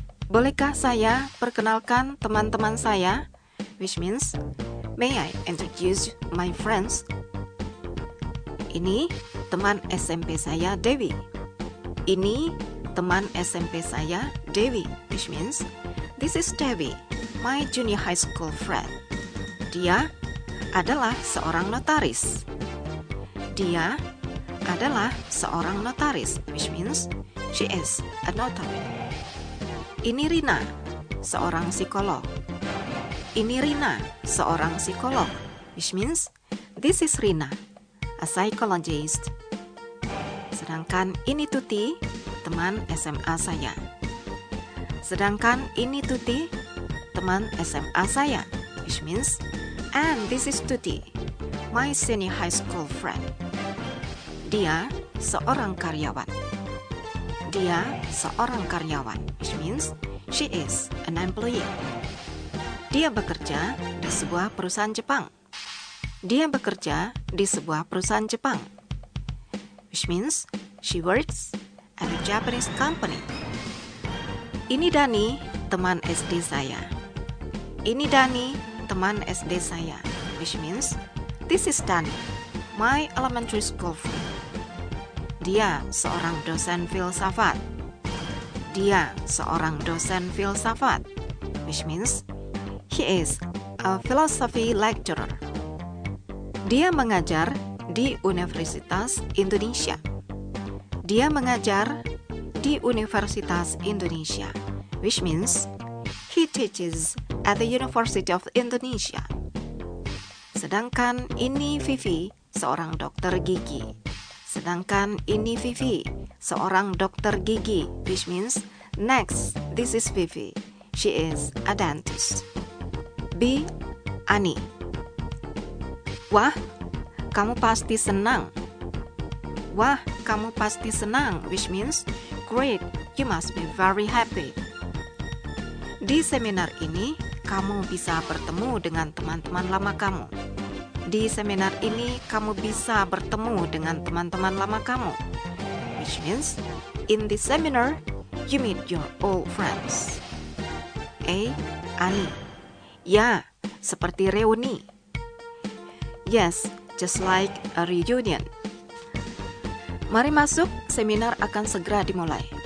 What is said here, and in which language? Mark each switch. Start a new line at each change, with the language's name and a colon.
Indonesian: Bolehkah saya perkenalkan teman-teman saya?
English: Which means, may I introduce my friends?
Indonesian: Ini teman SMP saya, Dewi. Ini teman SMP saya, Dewi.
English: Which means, this is Dewi, my junior high school friend.
Indonesian: Dia adalah seorang notaris. Dia adalah seorang notaris,
English: which means she is a notary.
Indonesian: Ini Rina, seorang psikolog. Ini Rina, seorang psikolog,
English: which means this is Rina, a psychologist.
Indonesian: Sedangkan ini Tuti, teman SMA saya. Sedangkan ini Tuti, teman SMA saya,
English: which means and this is Tuti, my senior high school friend.
Indonesian: Dia seorang karyawan. Dia seorang karyawan,
English: which means she is an employee.
Indonesian: Dia bekerja di sebuah perusahaan Jepang. Dia bekerja di sebuah perusahaan Jepang,
English: which means she works at a Japanese company.
Indonesian: Ini Dani, teman SD saya. Ini Dani, teman SD saya,
English: which means this is Dani, my elementary school friend.
Indonesian: Dia seorang dosen filsafat. Dia seorang dosen filsafat,
English: which means he is a philosophy lecturer.
Indonesian: Dia mengajar di Universitas Indonesia. Dia mengajar di Universitas Indonesia,
English: which means he teaches at the University of Indonesia.
Indonesian: Sedangkan ini Vivi, seorang dokter gigi. Sedangkan ini Vivi, seorang dokter gigi,
English: which means next, this is Vivi, she is a dentist. B. Ani.
Indonesian: Wah, kamu pasti senang. Wah, kamu pasti senang,
English: which means great, you must be very happy.
Indonesian: Di seminar ini, kamu bisa bertemu dengan teman-teman lama kamu. Di seminar ini, kamu bisa bertemu dengan teman-teman lama kamu.
English: Which means, in this seminar, you meet your old friends.
Indonesian: A. Ani. Ya, seperti reuni.
English: Yes, just like a reunion.
Indonesian: Mari masuk, seminar akan segera dimulai.